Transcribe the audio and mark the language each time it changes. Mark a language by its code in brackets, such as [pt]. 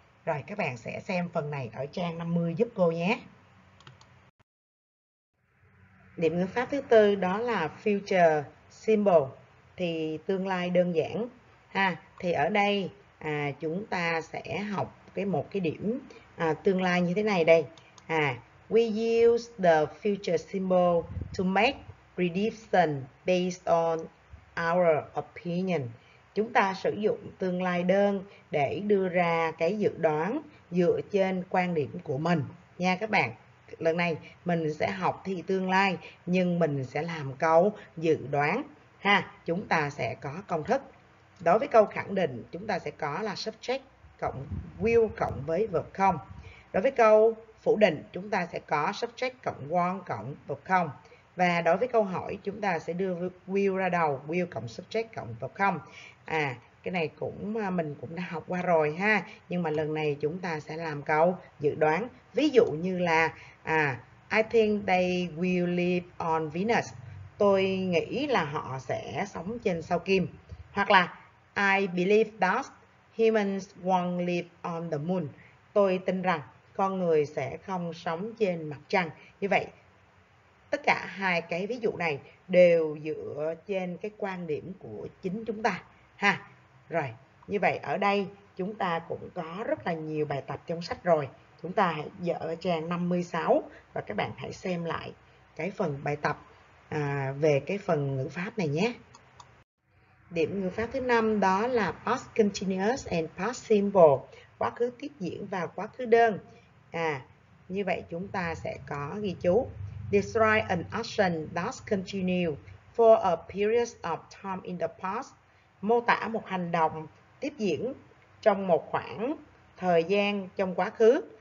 [vi] Rồi các bạn sẽ xem phần này ở trang 50 giúp cô nhé. Điểm ngữ pháp thứ tư đó là future symbol, thì tương lai đơn giản ha. Thì ở đây chúng ta sẽ học cái một cái điểm tương lai như thế này đây. [en] We use the future symbol to make prediction based on our opinion. [vi] Chúng ta sử dụng tương lai đơn để đưa ra cái dự đoán dựa trên quan điểm của mình nha các bạn. Lần này mình sẽ học thị tương lai nhưng mình sẽ làm câu dự đoán ha. Chúng ta sẽ có công thức. Đối với câu khẳng định chúng ta sẽ có là subject cộng will cộng với verb không. Đối với câu phủ định chúng ta sẽ có subject cộng want cộng verb không. Và đối với câu hỏi chúng ta sẽ đưa will ra đầu, will cộng subject cộng verb không. Cái này cũng mình cũng đã học qua rồi ha. Nhưng mà lần này chúng ta sẽ làm câu dự đoán. Ví dụ như là [en] I think they will live on Venus. [vi] Tôi nghĩ là họ sẽ sống trên sao Kim. Hoặc là [en] I believe that humans won't live on the moon. [vi] Tôi tin rằng con người sẽ không sống trên mặt trăng. Như vậy, tất cả hai cái ví dụ này đều dựa trên cái quan điểm của chính chúng ta ha. Rồi, như vậy ở đây chúng ta cũng có rất là nhiều bài tập trong sách rồi. Chúng ta hãy dở trang 56 và các bạn hãy xem lại cái phần bài tập về cái phần ngữ pháp này nhé. Điểm ngữ pháp thứ 5 đó là past continuous and past simple, quá khứ tiếp diễn và quá khứ đơn. Như vậy chúng ta sẽ có ghi chú. [en] Describe an action that continues for a period of time in the past. [vi] Mô tả một hành động tiếp diễn trong một khoảng thời gian trong quá khứ.